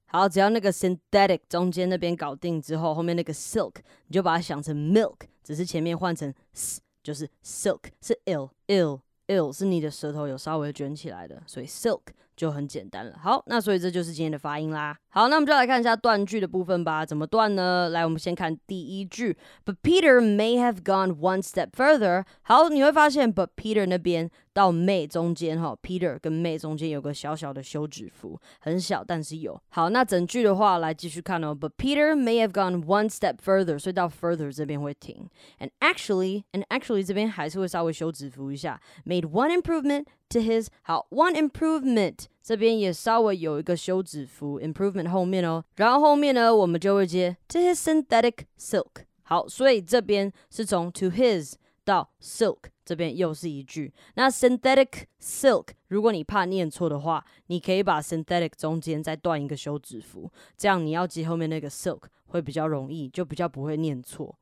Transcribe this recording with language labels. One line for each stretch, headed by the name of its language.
Chinese: 好，只要那个 synthetic 中间那边搞定之后，后面那个 silk 你就把它想成 milk， 只是前面换成 s， 就是 silk 是 ill ill ill， 是你的舌头有稍微卷起来的，所以 silk 就很简单了。好，那所以这就是今天的发音啦。好，那我们就来看一下断句的部分吧，怎么断呢？来，我们先看第一句
English: But Peter may have gone one step further。
Chinese: 好，你会发现 But Peter 那边到 may 中间 Peter 跟 may 中间有个小小的休止符，很小但是有。好，那整句的话来继续看哦
English: But Peter may have gone one step further，
Chinese: 所以到 further 这边会停， And actually 这边还是会稍微休止符一下
English: Made one improvement to his。
Chinese: 好， one improvement这边也稍微有一个休止符 improvement 后面哦，然后后面呢我们就会接
English: to his synthetic silk。
Chinese: 好，所以这边是从 to his 到 silk 这边又是一句。那 synthetic silk 如果你怕念错的话，你可以把 synthetic 中间再断一个休止符，这样你要接后面那个 silk 会比较容易，就比较不会念错。